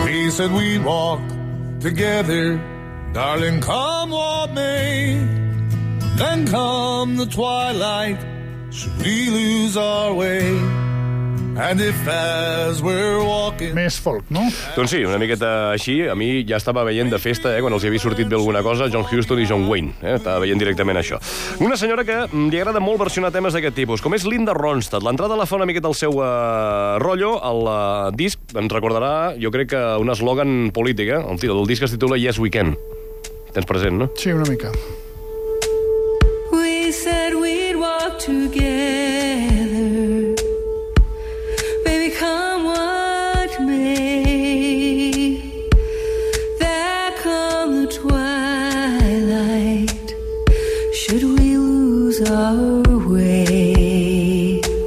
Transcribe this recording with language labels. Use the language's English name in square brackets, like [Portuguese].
[English] Said we walk together, darling, come what may, then come the twilight, should we lose our way. And if as we're walking... [Catalan] Més folk, no? Doncs sí, una miqueta així. A mi ja estava veient de festa, quan els hi havia sortit bé alguna cosa, John Houston i John Wayne. Estava veient directament això. Una senyora que li agrada molt versionar temes d'aquest tipus, com és Linda Ronstadt. L'entrada la fa una miqueta el seu rotllo, el disc ens recordarà, jo crec que un eslògan polític, eh? El títol del disc es titula Yes, We Can. Tens present, no? Sí, una mica. [English] We said we'd walk together, come what may, there come the twilight, should we lose our way.